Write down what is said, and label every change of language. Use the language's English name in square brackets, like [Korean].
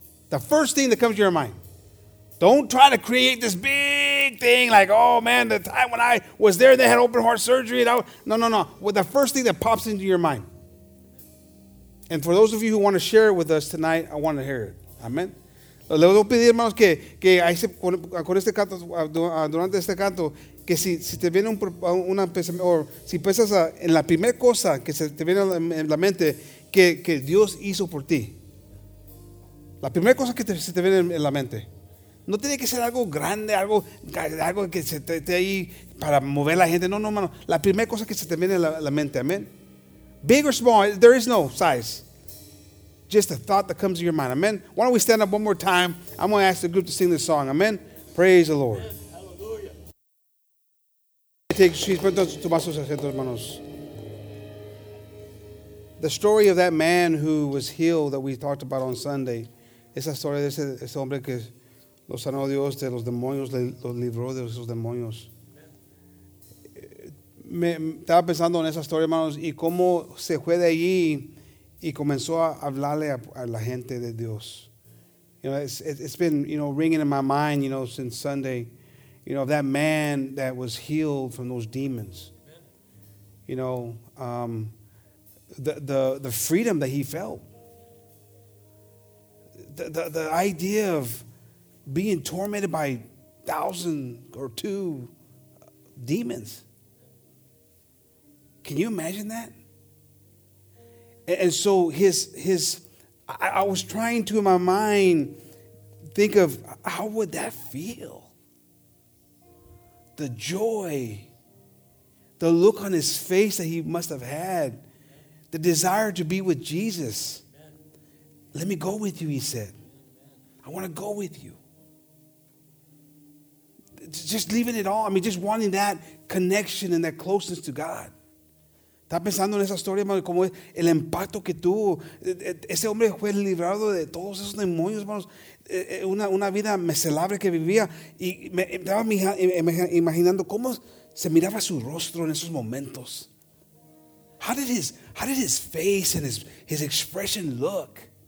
[English] The first thing that comes to your mind. Don't try to create this big thing like, oh, man, the time when I was there, they had open heart surgery. And I was, no. Well, the first thing that pops into your mind. And for those of you who want to share it with us tonight, I want to hear it. Amen. [Spanish] Le voy a pedir, hermanos, que con este canto, durante este canto, que si te viene una pensamiento, o si piensas en la primera cosa que se te viene en la mente, que Dios hizo por ti. La primera cosa que se te viene en la mente. No tiene que ser algo grande, algo que se esté ahí para mover la gente. No, hermano. La primera cosa que se te viene a la mente. Amen. [English] Big or small, there is no size. Just a thought that comes to your mind. Amen. Why don't we stand up one more time? I'm going to ask the group to sing this song. Amen. Praise the Lord. Hallelujah. Take sheets, put those to my hermanos. The story of that man who was healed that we talked about on Sunday. [Spanish] Esa historia de ese hombre que lo sanó Dios de los demonios, lo libró de esos demonios. Me estaba pensando en esa historia, hermanos, y cómo se fue de allí y comenzó a hablarle a la gente de Dios. [English] You know, it's been, you know, ringing in my mind, you know, since Sunday. You know, that man that was healed from those demons. Amen. You know, the freedom that he felt. The idea of being tormented by 1,000 or 2 demons. Can you imagine that? And so I was trying to in my mind think of how would that feel? The joy, the look on his face that he must have had, the desire to be with Jesus. Amen. Let me go with you, he said. Amen. I want to go with you. Just leaving it all. I mean, just wanting that connection and that closeness to God. [Spanish] Está pensando en esa historia, hermano, como el impacto que tuvo. Ese hombre fue librado de todos esos demonios, hermanos. Una vida miserable que vivía. Y me estaba imaginando cómo se miraba su rostro en esos momentos. [English] How did his face and his expression look?